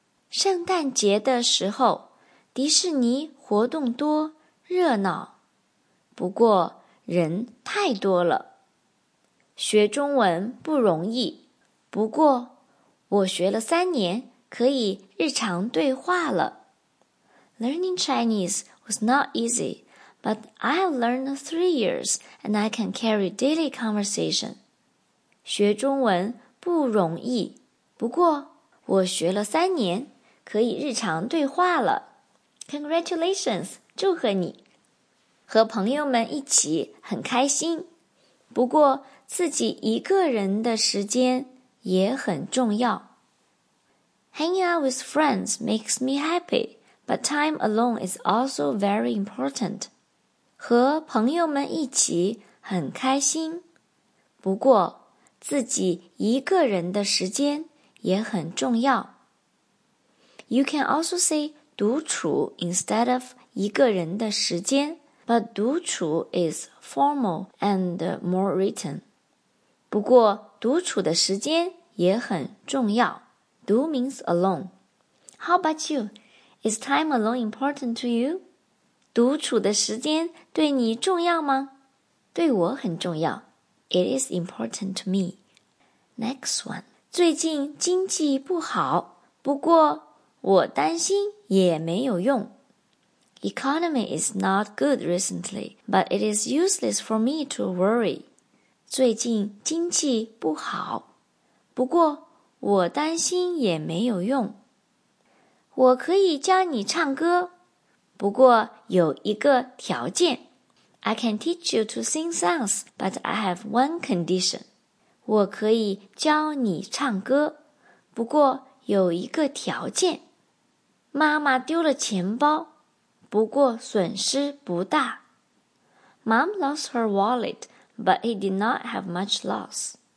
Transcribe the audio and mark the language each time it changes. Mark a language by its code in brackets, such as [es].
[zh] 圣诞节的时候迪士尼活动多热闹，不过人太多了。学中文不容易，不过我学了三年，可以日常对话了。 [en] Learning Chinese was not easy, but I learned 3 years and I can carry daily conversation. [zh] 学中文不容易，不过我学了三年，可以日常对话了。 [en] Congratulations, [zh] 祝贺你。和朋友们一起很开心，不过自己一个人的时间也很重要。 [en] Hanging out with friends makes me happy, but time alone is also very important. [zh] 和朋友们一起很开心，不过自己一个人的时间也很重要。 [en] You can also say 独处 instead of 一个人的时间, but 独处 is formal and more written. [zh] 不过独处的时间也很重要。 [en] Do means alone. How about you? Is time alone important to you? [zh] 独处的时间对你重要吗？对我很重要。 [en] It is important to me. Next one. [zh] 最近经济不好，不过我担心也没有用。 [en] Economy is not good recently, but it is useless for me to worry. [zh] 最近经济不好，不过我担心也没有用。我可以教你唱歌，不过有一个条件。 [en] I can teach you to sing songs, but I have one condition. [zh] 我可以教你唱歌，不过有一个条件。妈妈丢了钱包，不过损失不大。 [en] Mom lost her wallet. But he did not have much loss.